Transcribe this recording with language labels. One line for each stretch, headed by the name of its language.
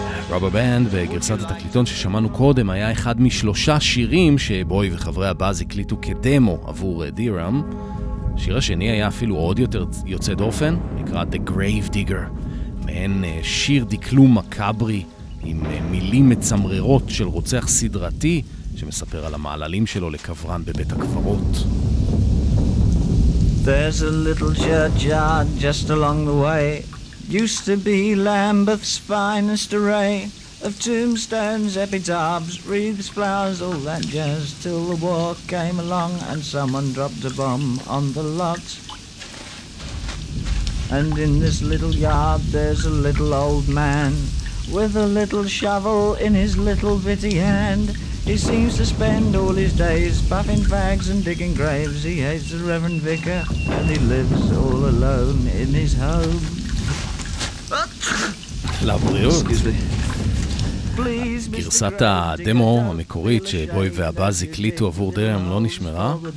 Hebrew: רבה בנד וגרסת התקליטון ששמענו קודם היה אחד משלושה שירים שבוי וחברי הבאז הקליטו כדמו עבור דיראם. השיר השני היה אפילו עוד יותר יוצא דופן, נקרא The Grave Digger, מעין שיר דקלום מקאברי עם מילים מצמררות של רוצח סדרתי שמספר על המעללים שלו לקברן בבית הקברות.
English: There's a little churchyard just along the way. Used to be Lambeth's finest array of tombstones, epitaphs, wreaths, flowers, all that jazz, till the war came along and someone dropped a bomb on the lot. And in this little yard there's a little old man with a little shovel in his little bitty hand. He seems to spend all his days puffing fags and digging graves. He hates the Reverend Vicar and he lives all alone in his home.
Hebrew: לבריאות. גרסת הדמו המקורית שבוי והבאז הקליטו עבור דיראם לא נשמרה.